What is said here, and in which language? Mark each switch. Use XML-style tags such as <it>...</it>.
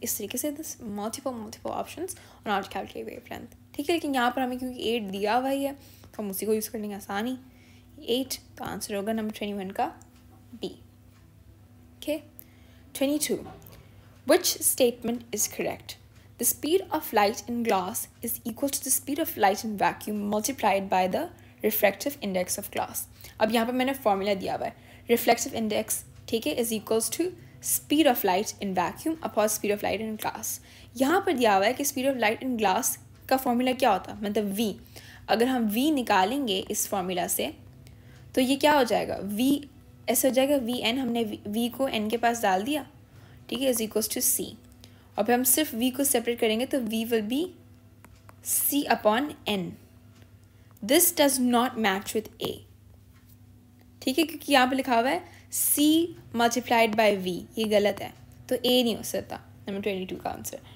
<hi>इस तरीके से</hi> <en>This multiple options on how to calculate wavelength.</en> <hi>ठीक है, लेकिन यहाँ पर हमें क्योंकि 8 दिया हुआ ही है, तो हम उसी को यूज़ करने आसान ही. 8, तो आंसर होगा नंबर 21 का B. Okay, 22.</hi> <en>Which statement is correct? The speed of light in glass is equal to the speed of light in vacuum multiplied by the refractive index of glass.</en> <hi>अब यहाँ पर मैंने formula दिया हुआ है.</hi> <en>Reflective index, ठीक है, is equals to speed of light in vacuum upon speed of light in glass.</en> <hi>यहाँ पर दिया हुआ है कि speed of light in glass का फॉर्मूला क्या होता, मतलब v. अगर हम v निकालेंगे इस फॉर्मूला से, तो ये क्या हो जाएगा? v ऐसा हो जाएगा, वी एन, हमने वी को एन के पास डाल दिया, ठीक है, इज इक्वल्स टू सी. और फिर हम सिर्फ वी को सेपरेट करेंगे, तो</hi> <en>We will be C upon N. This does not match with A.</en> <hi>ठीक है क्योंकि यहाँ पे लिखा हुआ है C multiplied by V. ये गलत है. तो A नहीं हो सकता. Number 22 का आंसर.</hi>